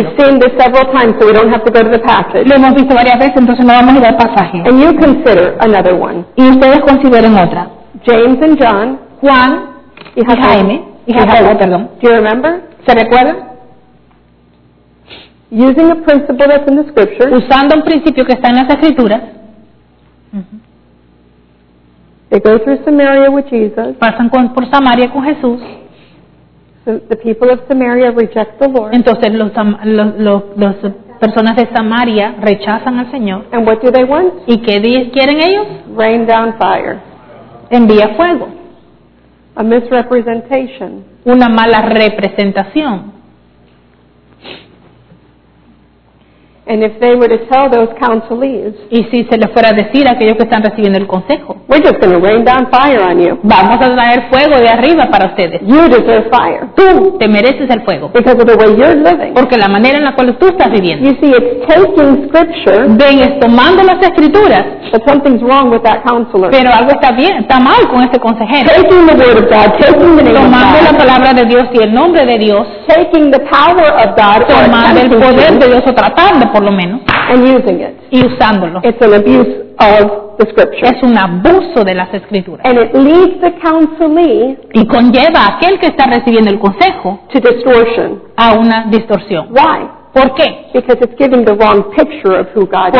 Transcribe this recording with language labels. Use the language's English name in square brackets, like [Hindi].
[English] We've seen this several times, so we don't have to go to the passage. [Spanish] Lo hemos visto varias veces, entonces no vamos a ir al pasaje. [English] And you consider another one. [Spanish] Y ustedes consideren otra. [English] James and John. [Spanish] Juan y Jaime. [English] Do you remember? [Spanish] ¿Se recuerdan? [English] Using a principle that's in the scriptures. [Spanish] Usando un principio que está en las escrituras. [English] They go through Samaria with Jesus. [Spanish] Pasan por Samaria con Jesús. [English] The people of Samaria reject the Lord. [Spanish] Entonces los personas de Samaria rechazan al Señor. [English] And what do they want? [Spanish] ¿Y qué quieren ellos? [English] Rain down fire. [Spanish] Envía fuego. [English] A misrepresentation. [Spanish] Una mala representación. [English] And if they were to tell those counselees, [Spanish] y si se les fuera a decir a aquellos que están recibiendo el consejo, [English] we're just going to rain down fire on you. [Spanish] Vamos a traer fuego de arriba para ustedes. [English] You deserve fire. [Spanish] Tú te mereces el fuego. [English] Because of the way you're living. [Spanish] Porque la manera en la cual tú estás viviendo. [English] You see, it's taking scripture. [Spanish] Ven, es tomando las escrituras. [English] But something's wrong with that counselor. [Spanish] Pero algo está bien, está mal con ese consejero. [English] Taking the word of God, taking the name [Spanish] tomando [English] of God. [Spanish] Tomando la palabra de Dios y el nombre de Dios. [English] Taking the power of God. [Spanish] Tomando el poder de Dios o tratando. Por lo menos, [English] and using it. [Spanish] Y usándolo. [English] It's an abuse of the scripture. [Spanish] Es un abuso de las escrituras. [English] And it leads the counselee, [Spanish] y conlleva a aquel que está recibiendo el consejo, [English] to distortion, [Spanish] a una distorsión. [English] Why? [Spanish] ¿Por qué? [English] Because it's giving the wrong picture of who God is.